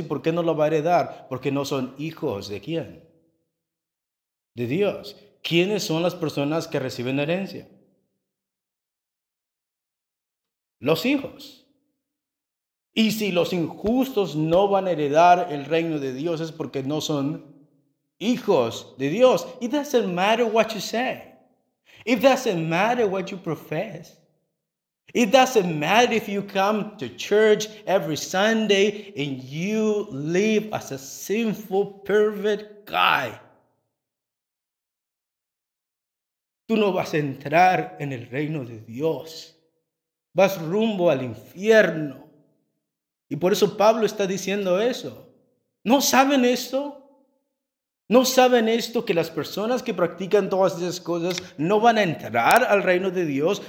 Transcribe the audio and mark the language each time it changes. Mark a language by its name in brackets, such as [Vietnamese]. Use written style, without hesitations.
[Spanish] ¿Y por qué no lo va a heredar? Porque no son hijos de quién. De Dios. ¿Quiénes son las personas que reciben herencia? Los hijos. Y si los injustos no van a heredar el reino de Dios es porque no son hijos de Dios. [English] It doesn't matter what you say. It doesn't matter what you profess. It doesn't matter if you come to church every Sunday and you live as a sinful, perverted guy. [Spanish] Tú no vas a entrar en el reino de Dios. Vas rumbo al infierno. Y por eso Pablo está diciendo eso. ¿No saben esto? ¿No saben esto que las personas que practican todas esas cosas no van a entrar al reino de Dios?